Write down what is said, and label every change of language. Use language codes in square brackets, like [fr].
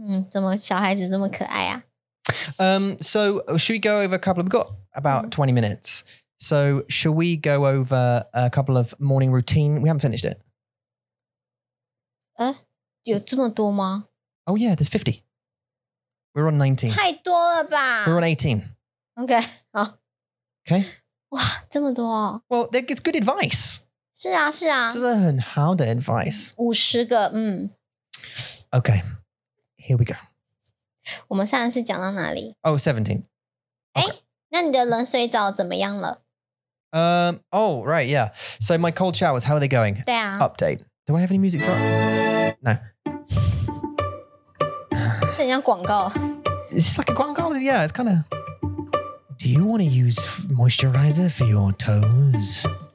[zh] 怎么小孩子这么可爱啊? [en] So should we go over a couple of, we've got about 20 minutes. So should we go over a couple of morning routine? We haven't finished it. [zh] 有这么多吗? [en] Oh yeah, there's 50. We're on 19. [zh] 太多了吧? [en] We're on 18. Okay. Oh. Okay. [zh] 哇,这么多哦。 [en] Well, it's good advice. [zh] 是啊,是啊。这是很好的 advice. 50个, [en] Okay. Here we go. [zh] 我们上次讲到哪里? [en] Oh, 17. [zh] 诶,那你的冷水澡怎么样了? [en] Oh, right, yeah. So my cold showers, how are they going? [zh] 对啊。 [en] Update. Do I have any music for it? No. [zh] 很像广告。 [en] It's like a 广告, yeah, it's kind of... Do you want to use moisturizer for your toes?